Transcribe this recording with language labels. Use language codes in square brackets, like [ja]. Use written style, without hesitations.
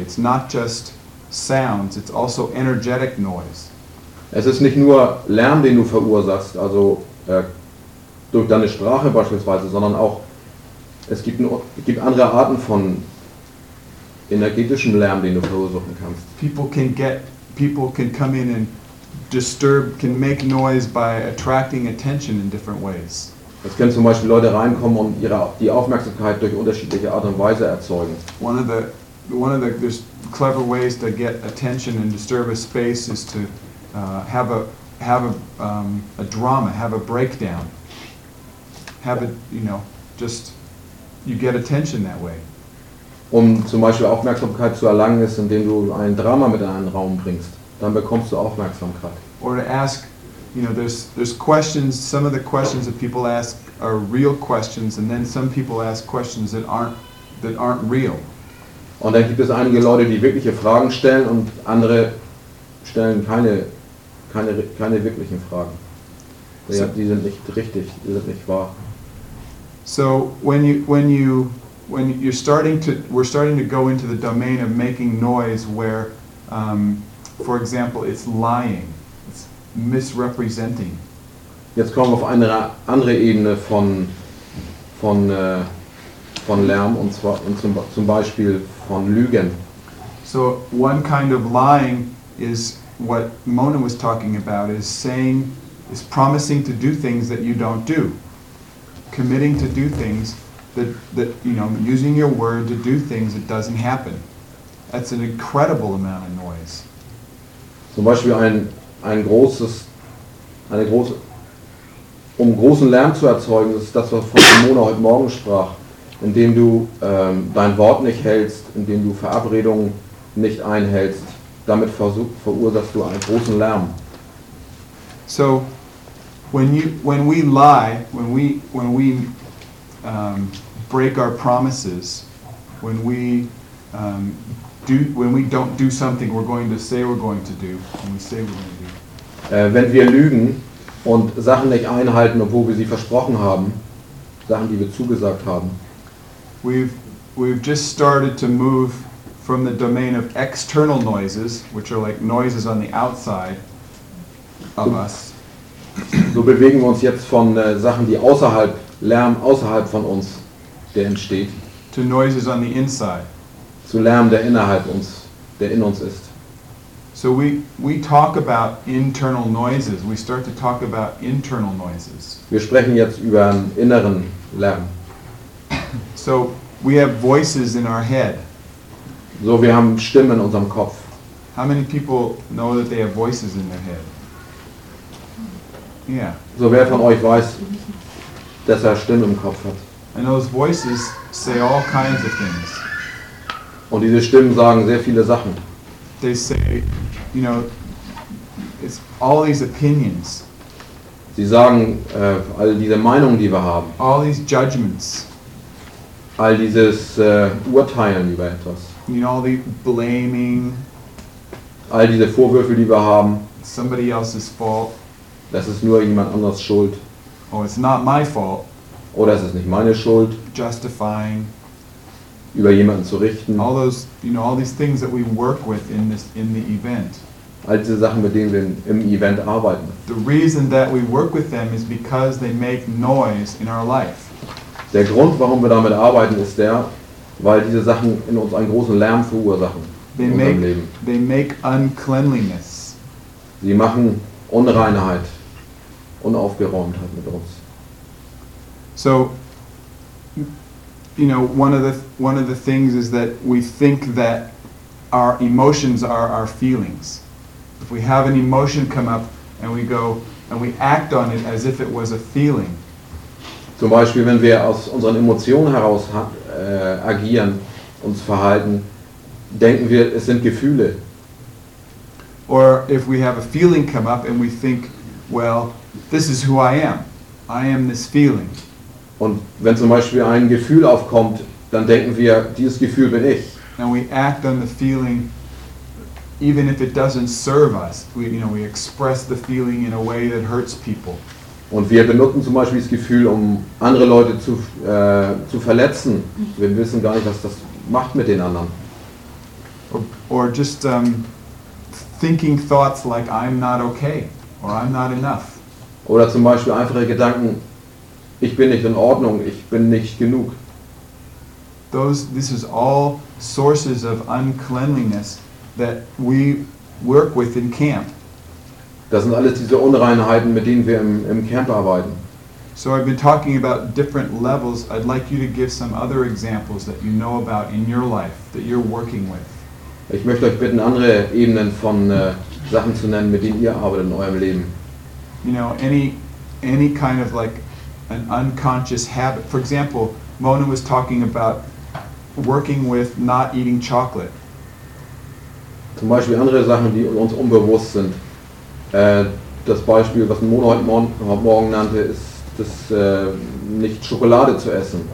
[en] It's not just sounds, it's also energetic noise. [de] Es ist nicht nur Lärm, den du verursachst, also durch deine Sprache beispielsweise, sondern auch, es gibt andere Arten von energetischem Lärm, den du verursachen kannst. [en] People can come in and disturb, can make noise by attracting attention in different ways. [de] Es können zum Beispiel Leute reinkommen und die Aufmerksamkeit durch unterschiedliche Art und Weise erzeugen. [en] There's clever ways to get attention and disturb a space is to have a drama, have a breakdown, you get attention that way. [de] Um zum Beispiel Aufmerksamkeit zu erlangen, ist, indem du ein Drama mit in einen Raum bringst. Dann bekommst du Aufmerksamkeit. [en] Or to ask, there's questions. Some of the questions that people ask are real questions, and then some people ask questions that aren't real. [de] Und dann gibt es einige Leute, die wirkliche Fragen stellen, und andere stellen keine wirklichen Fragen. Die sind nicht richtig, die sind nicht wahr. [en] So when we're starting to go into the domain of making noise, where for example, it's lying, it's misrepresenting. [de] Jetzt kommen wir auf eine andere Ebene von Lärm, und zum Beispiel von Lügen. [en] So one kind of lying is what Mona was talking about, is promising to do things that you don't do. Committing to do things that using your word to do things that doesn't happen. That's an incredible amount of noise. [de] Zum Beispiel eine große, um großen Lärm zu erzeugen, ist das, was von Mona heute Morgen sprach. Indem du dein Wort nicht hältst, indem du Verabredungen nicht einhältst, damit verursachst du einen großen Lärm. [en] So, when we break our promises, when we don't do something we're going to say we're going to do, when we say we're going to do. [de] Wenn wir lügen und Sachen nicht einhalten, obwohl wir sie versprochen haben, Sachen, die wir zugesagt haben. [en] We've just started to move from the domain of external noises, which are like noises on the outside of us. [de] So bewegen wir uns jetzt von Sachen, die außerhalb, Lärm außerhalb von uns, der entsteht, [en] to noises on the inside. [de] Zu Lärm, der innerhalb uns, der in uns ist. [en] So we talk about internal noises. We start to talk about internal noises. [de] Wir sprechen jetzt über einen inneren Lärm. [en] So we have voices in our head. [de] So wir haben Stimmen in unserem Kopf. [en] How many people know that they have voices in their head? Yeah. [de] So wer von euch weiß, dass Stimmen im Kopf hat? [en] And those voices say all kinds of things. [de] Und diese Stimmen sagen sehr viele Sachen. [en] They say, it's all these opinions. [de] Sie sagen all diese Meinungen, die wir haben. [en] All these judgments. [de] All dieses Urteilen über etwas. [en] All the blaming. [de] All diese Vorwürfe, die wir haben. [en] Somebody else's fault. [de] Das ist nur jemand anders Schuld. [en] Oh, it's not my fault. [de] Oder es ist nicht meine Schuld. [en] Justifying. [de] Über jemanden zu richten. [en] All those, all these things that we work with in the event. [de] All diese Sachen, mit denen wir im Event arbeiten. [en] The reason that we work with them is because they make noise in our life. [de] Der Grund, warum wir damit arbeiten, ist der, weil diese Sachen in uns einen großen Lärm verursachen in unserem Leben. [en] They make uncleanliness. [de] Sie machen Unreinheit, Unaufgeräumtheit mit uns. [en] So, one of the things is that we think that our emotions are our feelings. If we have an emotion come up and we go and we act on it as if it was a feeling. [de] Zum Beispiel, wenn wir aus unseren Emotionen heraus agieren, uns verhalten, denken wir, es sind Gefühle. [en] Or if we have a feeling come up and we think, well, this is who I am. I am this feeling. [de] Und wenn zum Beispiel ein Gefühl aufkommt, dann denken wir, dieses Gefühl bin ich. [en] And we act on the feeling, even if it doesn't serve us. We express the feeling in a way that hurts people. [de] Und wir benutzen zum Beispiel das Gefühl, um andere Leute zu verletzen. Wir wissen gar nicht, was das macht mit den anderen. [en] Or just thinking thoughts like I'm not okay or I'm not enough. [de] Oder zum Beispiel einfache Gedanken, ich bin nicht in Ordnung, ich bin nicht genug. [en] this is all sources of uncleanliness that we work with in camp. [de] Das sind alles diese Unreinheiten, mit denen wir im Camp arbeiten. [en] So I've been talking about different levels. I'd like you to give some other examples that you know about in your life that you're working with. [de] Ich möchte euch bitten, andere Ebenen von Sachen zu nennen, mit denen ihr arbeitet in eurem Leben. [en] You know, any kind of like an unconscious habit. For example, Mona was talking about working with not eating chocolate. [de] Zum Beispiel andere Sachen, die uns unbewusst sind. Das Beispiel, was Mona heute Morgen nannte, ist das nicht Schokolade zu essen.